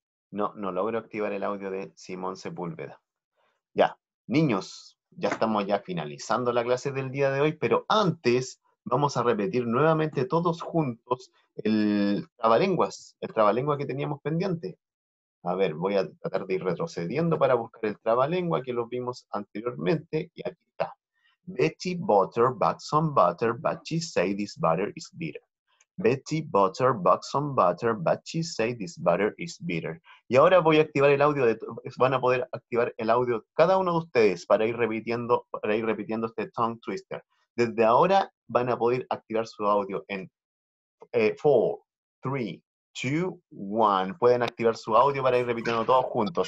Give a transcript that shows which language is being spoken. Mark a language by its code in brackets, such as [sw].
[es] No logro activar el audio de Simón Sepúlveda. Ya, niños, ya estamos ya finalizando la clase del día de hoy, pero antes vamos a repetir nuevamente todos juntos el trabalengua que teníamos pendiente. A ver, voy a tratar de ir retrocediendo para buscar el trabalengua que lo vimos anteriormente, y aquí está. [en] Betty Butter bought some butter, but she said this butter is bitter. Betty Butter bought some butter, but she said this butter is bitter. [es] Y ahora voy a activar el audio, van a poder activar el audio cada uno de ustedes para ir repitiendo este tongue twister. Desde ahora van a poder activar su audio en 4, 3, 2, 1. Pueden activar su audio para ir repitiendo todos juntos.